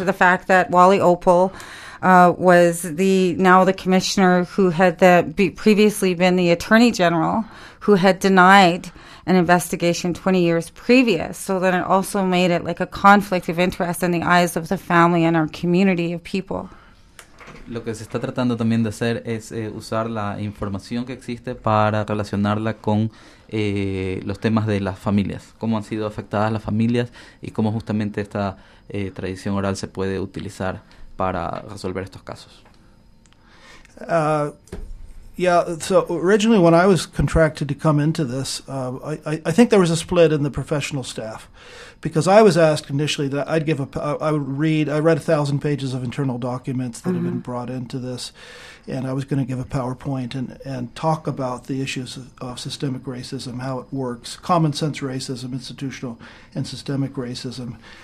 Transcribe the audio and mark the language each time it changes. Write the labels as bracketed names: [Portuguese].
[English] and the fact that Wally Opal was now the commissioner who had previously been the attorney general who had denied an investigation 20 years previous, so then it also made it like a conflict of interest in the eyes of the family and our community of people. [Spanish] Lo que se está tratando también de hacer es usar la información que existe para relacionarla con los temas de las familias, cómo han sido afectadas las familias y cómo justamente esta tradición oral se puede utilizar para resolver estos casos. [English] Yeah, so originally when I was contracted to come into this, I think there was a split in the professional staff because I was asked initially that I read 1,000 pages of internal documents that mm-hmm. had been brought into this, and I was going to give a PowerPoint and talk about the issues of systemic racism, how it works, common sense racism, institutional and systemic racism.